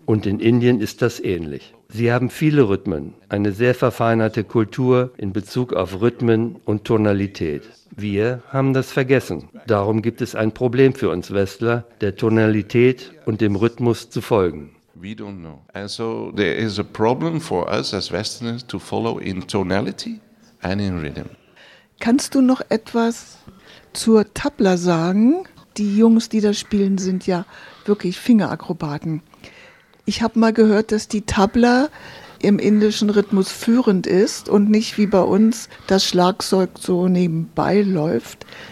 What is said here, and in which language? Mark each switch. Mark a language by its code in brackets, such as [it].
[de] Und in Indien ist das ähnlich. Sie haben viele Rhythmen, eine sehr verfeinerte Kultur in Bezug auf Rhythmen und Tonalität. Wir haben das vergessen. Darum gibt es ein Problem für uns Westler, der Tonalität und dem Rhythmus zu folgen. [en] We don't know. And so there is a problem for us as Westerners to follow in tonality and in rhythm. [de] Kannst du noch etwas zur Tabla sagen? Die Jungs, die das spielen, sind ja wirklich Fingerakrobaten. Ich habe mal gehört, dass die Tabla im indischen Rhythmus führend ist und nicht wie bei uns das Schlagzeug so nebenbei läuft.